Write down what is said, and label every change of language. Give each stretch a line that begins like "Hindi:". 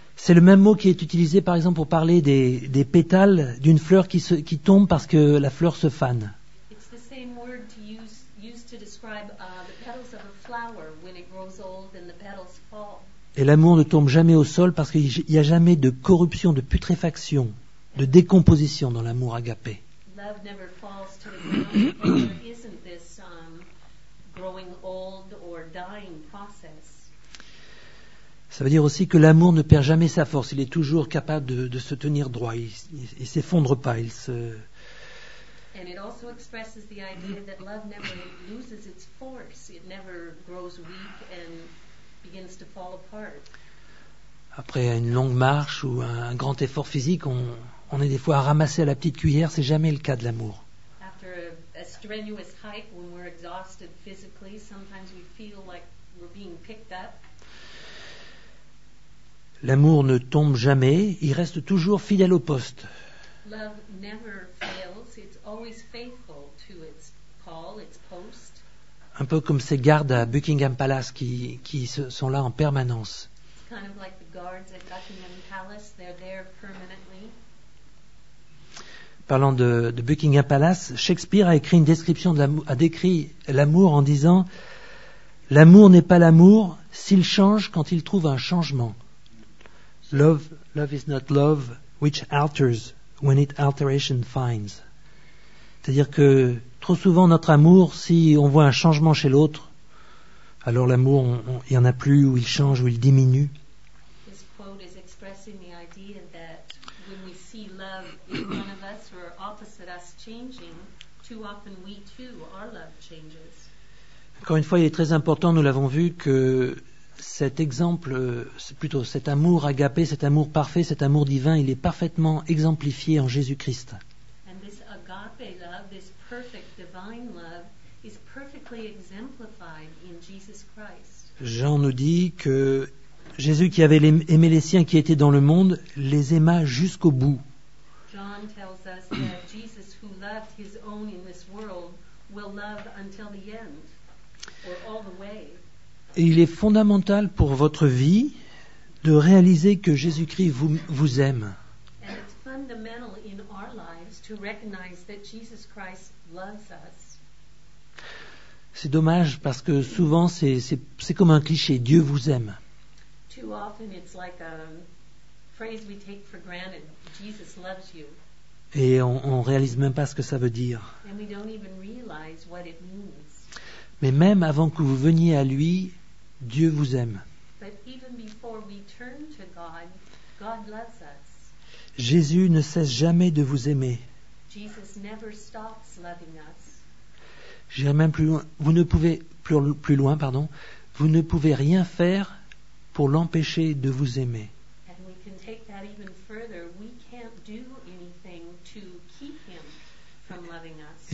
French: C'est le même mot qui est utilisé, par exemple, pour parler des pétales d'une fleur qui tombe parce que la fleur se fane.
English: It's the same word to use to describe the petals of a flower when it grows old and the petals fall.
French: Et l'amour ne tombe jamais au sol parce qu'il n'y a jamais de corruption, de putréfaction, de décomposition dans l'amour agapé.
English: Love never falls to the ground. There isn't this growing old or dying process.
French: Ça veut dire aussi que l'amour ne perd jamais sa force. Il est toujours capable de se tenir droit. Il ne s'effondre pas. Il se...
English: And it also expresses the idea that love never loses its force. It never grows weak and begins to fall apart.
French: Après une longue marche ou un grand effort physique, on est des fois à ramasser à la petite cuillère. C'est jamais le cas de l'amour.
English: After a strenuous hike, when we're exhausted physically, sometimes we feel like we're being picked up.
French: L'amour ne tombe jamais, il reste toujours fidèle au poste.
English: Love never fails, it's always faithful to its call, its post.
French: Un peu comme ces gardes à Buckingham Palace qui sont là en permanence.
English: It's kind of like the guards at Buckingham Palace, they're there permanently.
French: Parlant de Buckingham Palace, Shakespeare a écrit une description de l'amour, a décrit l'amour en disant l'amour n'est pas l'amour s'il change quand il trouve un changement.
English: Love is not love which alters when it alteration finds.
French: C'est-à-dire que trop souvent notre amour, si on voit un changement chez l'autre, alors l'amour, il n'y en a plus, ou il change, ou il diminue.
English: This quote is expressing the idea that when we see love in one of us or opposite us changing, too often we too, our love changes.
French: Encore une fois, il est très important, nous l'avons vu, que cet exemple, plutôt cet amour agapé, cet amour parfait, cet amour divin, il est parfaitement exemplifié en Jésus-Christ.
English: And this agape love, this perfect divine love, is perfectly exemplified in Jesus Christ.
French: Jean nous dit que Jésus qui avait aimé les siens qui étaient dans le monde, les aima jusqu'au bout.
English: John tells us that Jesus who loved his own in this world will love until the end, or all the way.
French: Et il est fondamental pour votre vie de réaliser que Jésus-Christ vous aime.
English: And it's fundamental in our lives to to recognize that Jesus Christ loves us.
French: C'est dommage parce que souvent c'est comme un cliché, Dieu vous aime.
English: Too often it's like a phrase we take for granted, Jesus loves you.
French: Et on réalise même pas ce que ça veut dire.
English: And we don't even realize what it means.
French: Mais même avant que vous veniez à lui, Dieu vous aime.
English: But even before we turn to God, God loves us.
French: Jésus ne cesse jamais de vous aimer. Jesus never stops loving us. J'irai même plus loin. Vous ne pouvez Vous ne pouvez rien faire pour l'empêcher de vous aimer.
English: And we can take that even further. We can't do anything to keep him from loving us.